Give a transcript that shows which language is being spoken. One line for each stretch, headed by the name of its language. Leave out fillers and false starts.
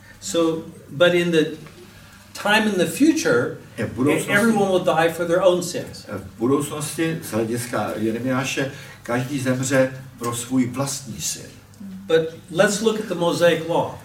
English: So, but in the time in the future, everyone will die for their own sins.
Czech: V budoucnosti, z hlediska Jeremiáše, každý zemře pro svůj vlastní syn.
English: But let's look at the Mosaic law.